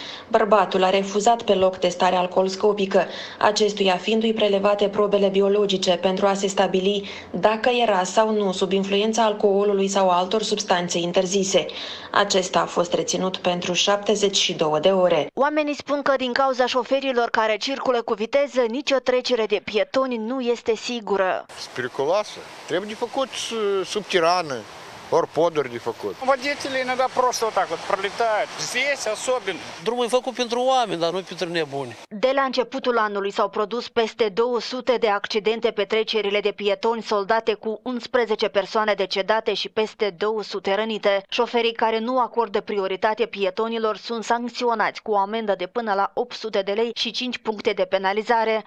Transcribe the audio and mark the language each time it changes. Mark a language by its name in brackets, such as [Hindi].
[Romanian] Bărbatul a refuzat pe loc testarea alcoolscopică, acestuia fiindu-i prelevate probele biologice pentru a se stabili dacă era sau nu sub influența alcoolului sau altor substanțe interzise. Acesta a fost reținut pentru 72 de ore. Oamenii spun că din cauza șoferilor care circulă cu viteză, nicio trecere de pietoni nu este sigură. Periculoasă. Trebuie de făcut subterană. Ori poduri de făcut. [Russian] Водителей иногда просто так вот пролетают. Здесь особенно. [Romanian] Drumul e făcut pentru oameni, dar nu pentru nebuni. De la începutul anului s-au produs peste 200 de accidente pe trecerile de pietoni soldate cu 11 persoane decedate și peste 200 rănite. Șoferii care nu acordă prioritate pietonilor sunt sancționați cu o amendă de până la 800 de lei și 5 puncte de penalizare.